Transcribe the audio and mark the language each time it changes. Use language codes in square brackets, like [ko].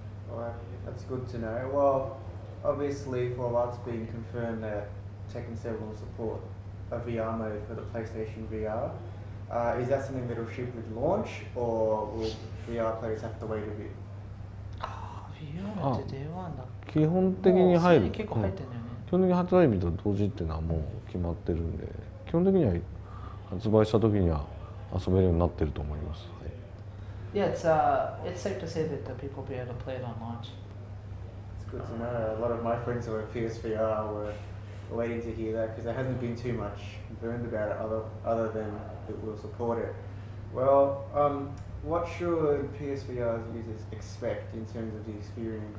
[en] Alright, that's good to know. Well, obviously for a while it's been confirmed that Tekken 7 will support a VR mode for the PlayStation VR. Is that something that will ship with launch, or will VR players have to wait a bit? ああ [ja] 基本的に入る、うん、基本的に発売日と同時っていうのはもう決まってるんで、基本的には発売した時には遊べるようになってると思います。はい、 [en] yeah, it's safe to say that the people will be able to play it on launch. It's good to know. A lot of my friends who are PSVR were waiting to hear that because there hasn't been too much learned about it other than it will support it. Well, what should PSVR users expect in terms of the experience?